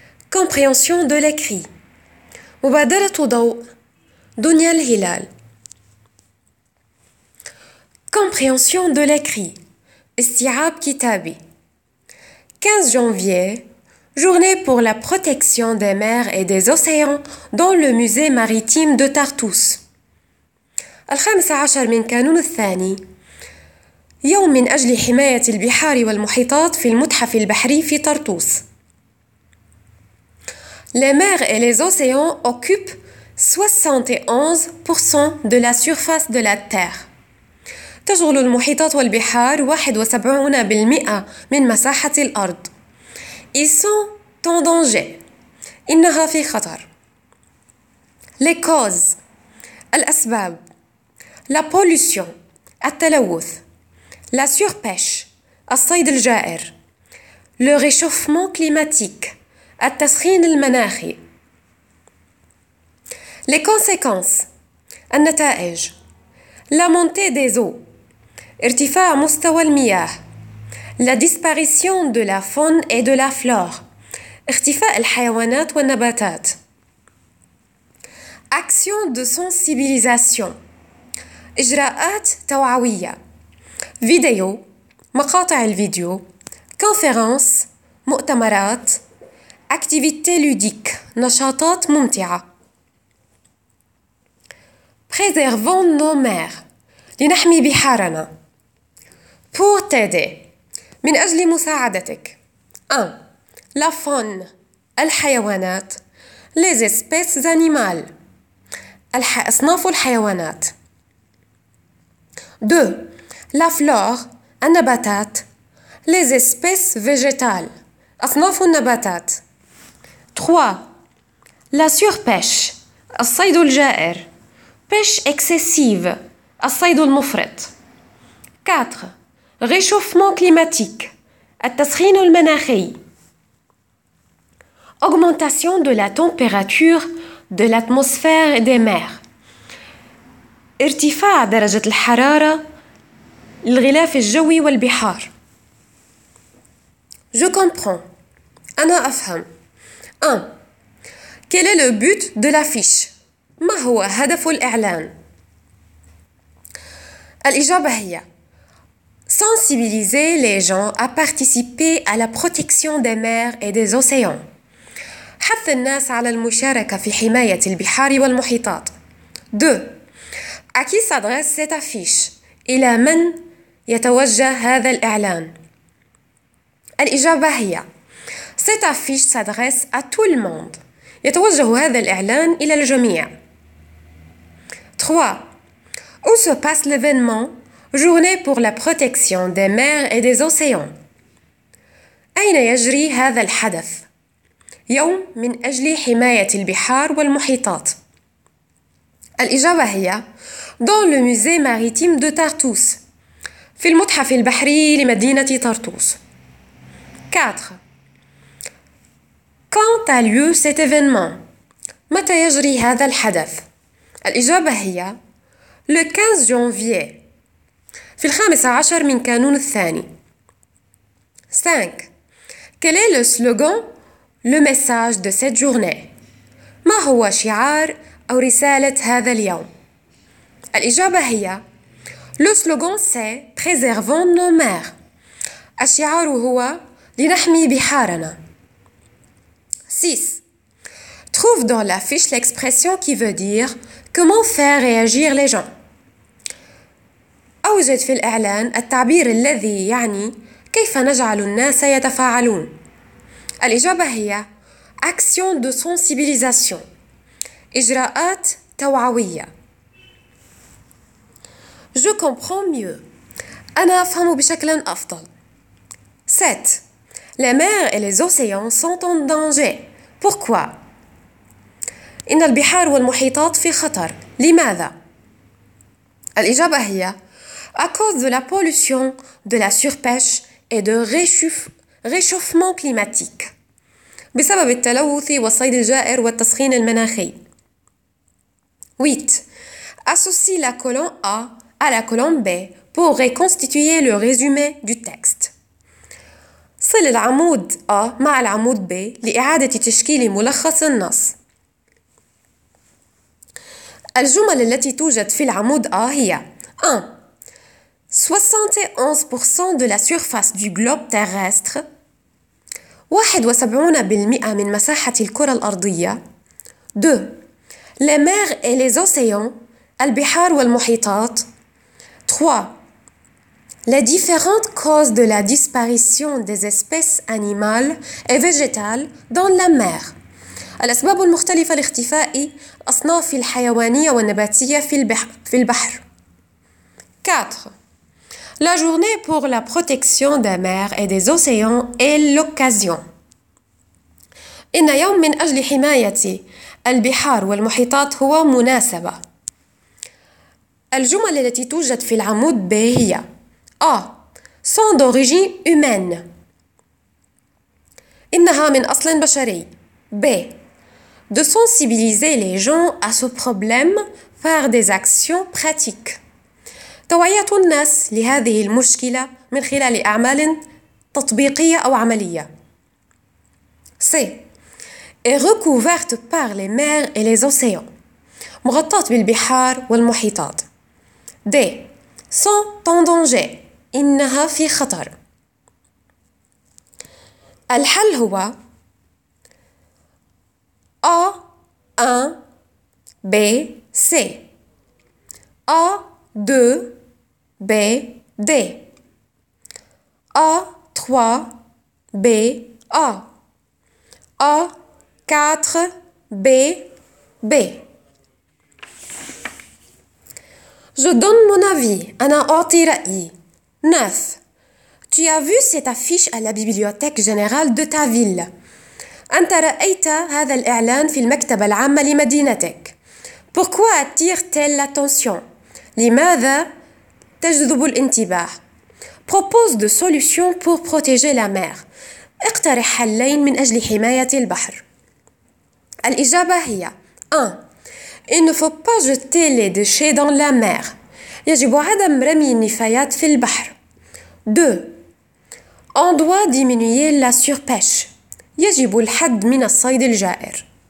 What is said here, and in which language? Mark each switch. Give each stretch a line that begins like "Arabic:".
French: Compréhension de l'écrit. Mubadala Toudaou. Dunya al-Hilal. Compréhension de l'écrit. Istiab Kitabi. 15 janvier. Journée pour la protection des mers et des océans dans le musée maritime de Tartous.
Arabic: الخامس عشر من كانون الثاني يوم من أجل حماية البحار والمحيطات في المتحف البحري في طرطوس.
French: Les mers et les océans occupent 71% de la surface de la Terre.
Arabic: تشغل المحيطات والبحار 71% من مساحة الأرض.
French: Ils sont en danger.
Arabic: إنها في خطر.
French: Les causes.
Arabic: الأسباب.
French: La pollution,
Arabic: التلوث.
French: La surpêche,
Arabic: الصيد الجائر.
French: Le réchauffement climatique,
Arabic: التسخين المناخي.
French: Les conséquences,
Arabic: النتائج.
French: La montée des eaux,
Arabic: ارتفاع مستوى المياه.
French: La disparition de la faune et de la flore,
Arabic: ارتفاع الحيوانات والنباتات.
French: Action de sensibilisation.
Arabic: إجراءات توعوية فيديو مقاطع الفيديو كونفرنس مؤتمرات
French: أكتيفيتي لوديك
Arabic: نشاطات ممتعة
French: بريزيرفون نو مير
Arabic: لنحمي بحارنا
French: بور تيدي
Arabic: من أجل مساعدتك
French: 1 لا فون
Arabic: الحيوانات
French: ليز سبيس انيمال
Arabic: أصناف الحيوانات
French: 2. La flore,
Arabic: النباتات,
French: les espèces végétales,
Arabic: أصناف النباتات. 3.
French: La surpêche,
Arabic: الصيد الجائر,
French: pêche excessive,
Arabic: الصيد المفرط.
French: 4. Réchauffement climatique,
Arabic: التسخين المناخي.
French: Augmentation de la température de l'atmosphère et des mers.
Arabic: ارتفاع درجة الحرارة الغلاف الجوي والبحار.
French: Je comprends.
Arabic: أنا أفهم.
French: 1. Quel est le but de l'affiche?
Arabic: ما هو هدف الإعلان؟ الإجابة هي
French: Sensibiliser les gens à participer à la protection des mers et des océans.
Arabic: حث الناس على المشاركة في حماية البحار والمحيطات. 2.
French: À qui s'adresse cette affiche?
Arabic: إلى من يتوجه هذا الإعلان؟ الإجابة هي
French: Cette affiche s'adresse à tout le monde.
Arabic: يتوجه هذا الإعلان إلى الجميع. 3.
French: Où se passe l'événement Journée pour la protection des mers et des océans.
Arabic: أين يجري هذا الحدث؟ يوم من أجل حماية البحار والمحيطات. الإجابة هي
French: Dans le musée maritime de Tartous.
Arabic: في المتحف البحري لمدينة طرطوس. 4.
French: Quand a lieu cet événement?
Arabic: متى يجري هذا الحدث؟ الإجابة هي
French: Le 15 janvier.
Arabic: في الخامس عشر من كانون الثاني. 5.
French: Quel est le slogan, le message de cette journée?
Arabic: ما هو شعار أو رسالة هذا اليوم؟ الإجابة هي
French: Le slogan c'est Préservons nos mers.
Arabic: الشعار هو لنحمي بحارنا. 6.
French: Trouve dans l'affiche l'expression qui veut dire Comment faire réagir les gens.
Arabic: أوجد في الإعلان التعبير الذي يعني كيف نجعل الناس يتفاعلون. الإجابة هي
French: Action de sensibilisation.
Arabic: إجراءات توعوية.
French: Je comprends mieux.
Arabic: أنا أفهم بشكل أفضل.
French: 7. Les mers et les océans sont en danger. Pourquoi?
Arabic: إن البحار والمحيطات في خطر. لماذا? الإجابة هي
French: À cause de la pollution, de la surpêche et de réchauffement climatique.
Arabic: بسبب التلوث والصيد الجائر والتسخين المناخي. 8.
French: Associe la colonne A à la colonne B pour reconstituer le résumé du texte.
Arabic: صل العمود A مع العمود B لإعادة تشكيل ملخص النص. الجمل التي توجد في العمود A هي 1.
French: 71% de la surface du globe terrestre.
Arabic: 71% من مساحة الكرة الأرضية. 2.
French: Les mers et les océans,
Arabic: البحار والمحيطات.
French: 3. Les différentes causes de la disparition des espèces animales et végétales dans la mer.
Arabic: الأسباب المختلفة لاختفاء الأصناف الحيوانية والنباتية في البحر. 4.
French: La journée pour la protection des mers et des océans est l'occasion.
Arabic: إن يوم من أجل حماية البحار والمحيطات هو مناسبة. الجمل التي توجد في العمود B هي A.
French: Sont d'origine humaine.
Arabic: إنها من أصل بشري. B.
French: De sensibiliser les gens à ce problème par des actions pratiques.
Arabic: توعية الناس لهذه المشكلة من خلال أعمال تطبيقية أو عملية. C.
French: Est recouverte par les mers et les océans.
Arabic: مغطاة بالبحار والمحيطات.
French: D. Sont en danger.
Arabic: إنها في خطر. الحل هو
French: A 1 B C A 2 B D A 3 B A A 4 B B Je donne mon avis.
Arabic: أنا أعطي رأيي. 9.
French: Tu as vu cette affiche à la bibliothèque générale de ta ville.
Arabic: أنت رأيت هذا الإعلان في المكتبة العامة لمدينتك.
French: Pourquoi attire-t-elle l'attention?
Arabic: لماذا تجذب الانتباه؟
French: Propose de solutions pour protéger la mer.
Arabic: اقترح حلين من أجل حماية البحر. الإجابة هي 1.
French: Il ne faut pas jeter les déchets dans la mer.
Arabic: يجب عدم رمي النفايات في البحر. 2.
French: On doit diminuer la surpêche.
Arabic: يجب الحد من الصيد الجائر.